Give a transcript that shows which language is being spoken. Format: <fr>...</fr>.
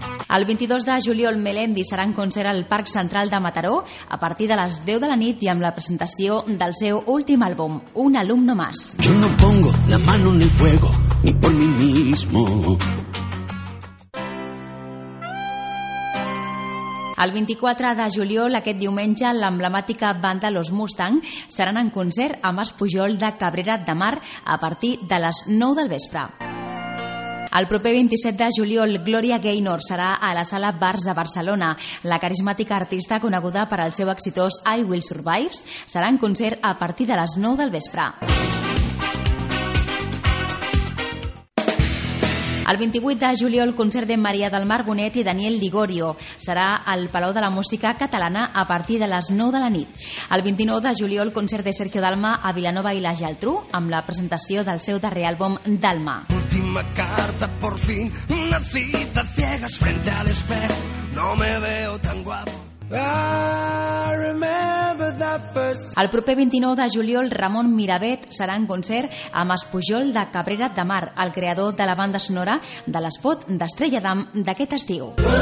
<ca>El 22 de juliol, Melendi serà en concert al Parc Central de Mataró a partir de les 10 de la nit i amb la presentació del seu últim àlbum, Un alumno más.</ca> <es>Yo no pongo la mano en el fuego, ni por mí mismo.</es> <ca>El 24 de juliol, aquest diumenge, l'emblemàtica banda Los Mustang seran en concert a Mas Pujol de Cabrera de Mar a partir de les 9 del vespre. El proper 27 de juliol, Gloria Gaynor serà a la Sala Bars de Barcelona. La carismàtica artista, coneguda per al seu exitós I Will Survive, serà en concert a partir de les 9 del vespre. El 28 de juliol, el concert de Maria del Mar Bonet i Daniel Ligorio serà al Palau de la Música Catalana a partir de les 9 de la nit. El 29 de juliol, el concert de Sergio Dalma a Vilanova i la Geltrú amb la presentació del seu darrer àlbum Dalma.</ca> <es>Última carta, por fin, una cita ciegas frente al espejo. No me veo tan guapo.</es> <ca>El proper 29 de juliol, Ramon Mirabet serà en concert a Mas Pujol de Cabrera de Mar, el creador de la banda sonora de l'espot d'Estrella Damm d'aquest estiu.</ca>